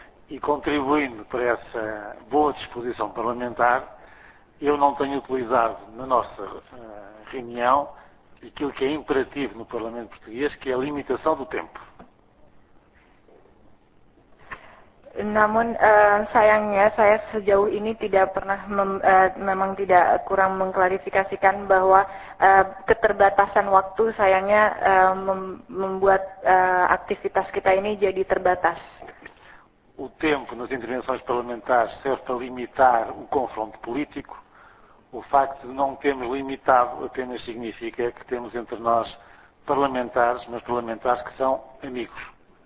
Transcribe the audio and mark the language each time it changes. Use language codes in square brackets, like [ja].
[pt] E contribuindo para essa boa disposição parlamentar, eu não tenho utilizado na nossa reunião aquilo que é imperativo no Parlamento Português, que é a limitação do tempo. [id] Namun sayangnya saya sejauh ini tidak pernah memang tidak kurang mengklarifikasikan bahwa keterbatasan waktu sayangnya membuat aktivitas kita ini jadi terbatas. [pt] O tempo nas intervenções parlamentares serve para limitar o confronto político. O facto de não termos limitado apenas significa que temos entre nós parlamentares, mas parlamentares que são amigos.